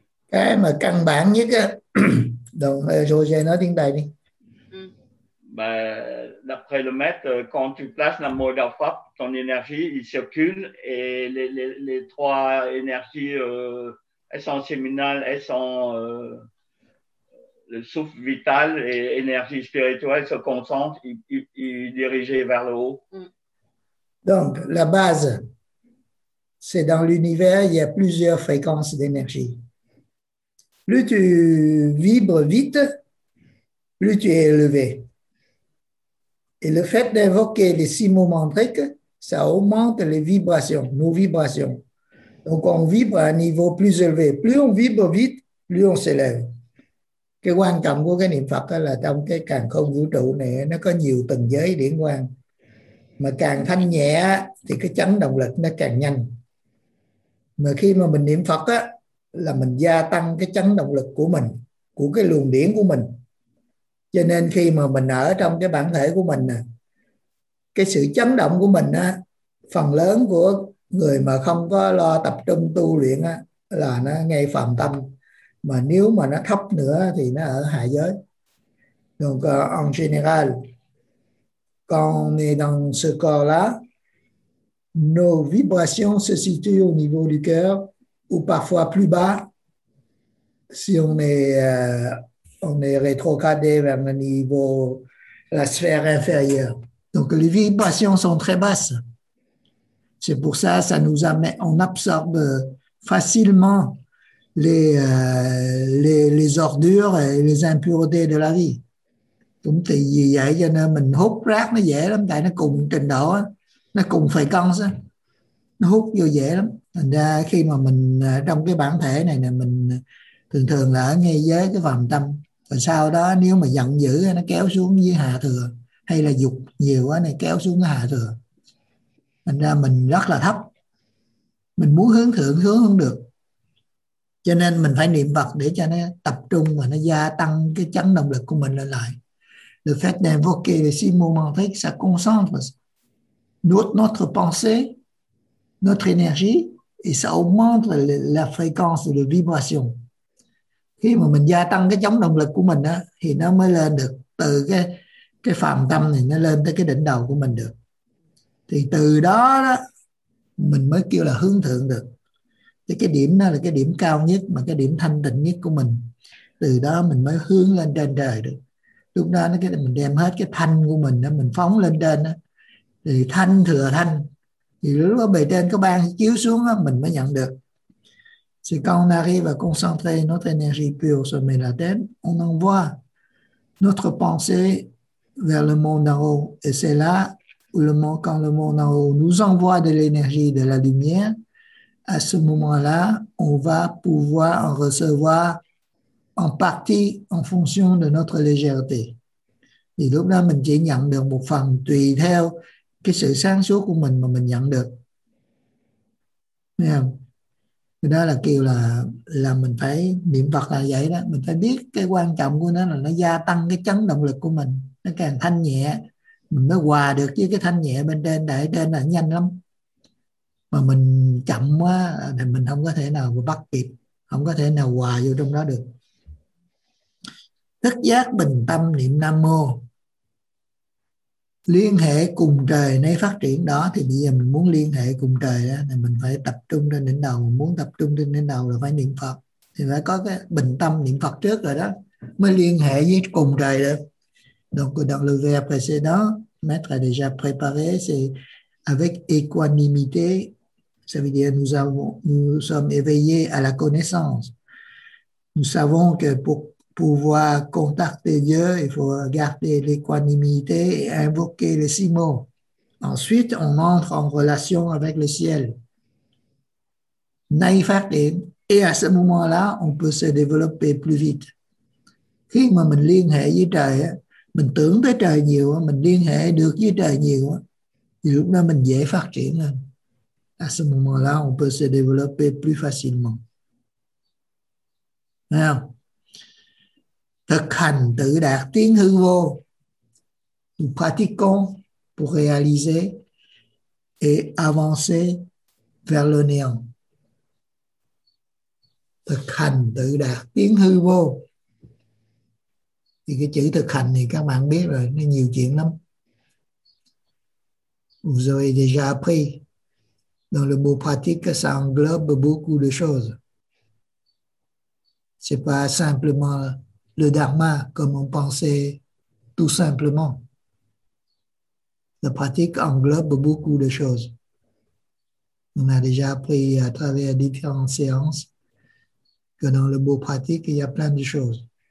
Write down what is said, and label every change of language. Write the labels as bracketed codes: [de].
[vi] Cái mà căn bản nhất á, rồi Roger nói tiếng Tây đi. Mà đập hai lần mét con tu place nam mô đạo pháp [fr] ton énergie il circule et les trois énergies elles sont séminales, elles sont le souffle vital et énergie spirituelle se concentrent et dirigées vers le haut. Donc la base, c'est dans l'univers, il y a plusieurs fréquences d'énergie. Plus tu vibres vite, plus tu es élevé. Et le fait d'invoquer les six mots mantriques, ça augmente les vibrations, nos vibrations. Donc on vibre à un niveau plus élevé. Plus on vibre vite, plus on s'élève. [vi] Cái quan trọng của cái niệm Phật là trong cái càn khôn vũ trụ này nó có nhiều tầng giới điển quang. Mà càng thanh nhẹ thì cái chấn động lực nó càng nhanh. Mà khi mà mình niệm Phật á, là mình gia tăng cái chấn động lực của mình, của cái luồng điển của mình. Cho nên khi mà mình ở trong cái bản thể của mình nè, cái sự chấn động của mình á, phần lớn của người mà không có lo tập trung tu luyện á, là nó ngay phàm tâm. Mà nếu mà nó thấp nữa thì nó ở hạ giới. [fr] Donc en général, quand on est dans ce corps-là, nos vibrations se situent au niveau du cœur ou parfois plus bas si on est on est rétrogradé vers le niveau, la sphère inférieure. Donc les vibrations sont très basses. C'est pour ça, ça nous amène, on absorbe facilement les ordures et les impuretés de la vie. [vi] Cũng thì vì vậy cho nên mình hút rác nó dễ lắm, tại nó cùng trình độ, nó cùng phải con, nó hút vô dễ lắm. Thành ra khi mà mình trong cái bản thể này nè, mình thường thường là ở ngay giới cái phàm tâm. Và sau đó nếu mà giận dữ nó kéo xuống dưới hạ thừa, hay là dục nhiều quá này kéo xuống cái hạ thừa. Thành ra mình rất là thấp. Mình muốn hướng thượng hướng không được. Cho nên mình phải niệm Phật để cho nó tập trung và nó gia tăng cái chấn động lực của mình lên lại. [fr] Le fait d'invoquer les six mots mantriques, ça concentre notre pensée, notre énergie, et ça augmente la fréquence de vibration. [vi] Khi mà mình gia tăng cái chống động lực của mình á, thì nó mới lên được từ cái phàm tâm này, nó lên tới cái đỉnh đầu của mình được. Thì từ đó, đó mình mới kêu là hướng thượng được. Thì cái điểm đó là cái điểm cao nhất, mà cái điểm thanh tịnh nhất của mình. Từ đó mình mới hướng lên trên trời được. Lúc đó nó cái mình đem hết cái thanh của mình đó, mình phóng lên trên đó, thì thanh thừa thanh, thì lúc đó bề trên có ban chiếu xuống đó, mình mới nhận được. [fr] C'est quand on arrive à concentrer notre énergie pure sur mes latins, on envoie notre pensée vers le monde en haut, et c'est là où le monde, quand le monde en haut nous envoie de l'énergie, de la lumière, à ce moment-là on va pouvoir en recevoir en partie en fonction de notre légèreté. [vi] Thì lúc đó mình chỉ nhận được một phần tùy theo cái sự sáng suốt của mình mà mình nhận được. Thấy không? Thì đó là kêu là mình phải niệm Phật là vậy đó. Mình phải biết cái quan trọng của nó là nó gia tăng cái chấn động lực của mình. Nó càng thanh nhẹ, mình mới hòa được với cái thanh nhẹ bên trên, để trên là nhanh lắm. Mà mình chậm quá thì mình không có thể nào mà bắt kịp, không có thể nào hòa vô trong đó được. Thức giác bình tâm niệm Nam Mô, liên hệ cùng trời nay phát triển đó. Thì bây giờ mình muốn liên hệ cùng trời đó, thì mình phải tập trung trên đỉnh đầu. Mình muốn tập trung trên đỉnh đầu là phải niệm Phật. Thì phải có cái bình tâm niệm Phật trước rồi đó, mới liên hệ với cùng trời được. [fr] Donc dans le verbe précédent, maître a déjà préparé, c'est avec équanimité. Ça veut dire nous sommes éveillés à la connaissance. Nous savons que pour pouvoir contacter Dieu, il faut garder l'équanimité et invoquer les six mots. Ensuite, on entre en relation avec le ciel. Naïfartin. Et à ce moment-là, on peut se développer plus vite. [vi] Khi mà mình liên hệ với trời, mình tưởng tới trời nhiều, mình liên hệ được với trời nhiều, thì lúc đó mình dễ phát triển lên. [fr] À, ce moment-là, on peut se développer plus facilement. [vi] Thấy không? Thực hành tự đạt tiến hư vô. [fr] Nous pratiquons pour réaliser et avancer vers le néant. [vi] Thực hành tự đạt tiến hư vô. Thì cái chữ thực hành thì các bạn biết rồi, nó nhiều chuyện lắm. [fr] Vous avez déjà appris dans le mot pratique, ça englobe beaucoup de choses. C'est pas simplement le dharma comme on pensait tout simplement. La pratique englobe beaucoup de choses. On a déjà appris à travers différentes séances que dans le mot pratique, il y a plein de choses.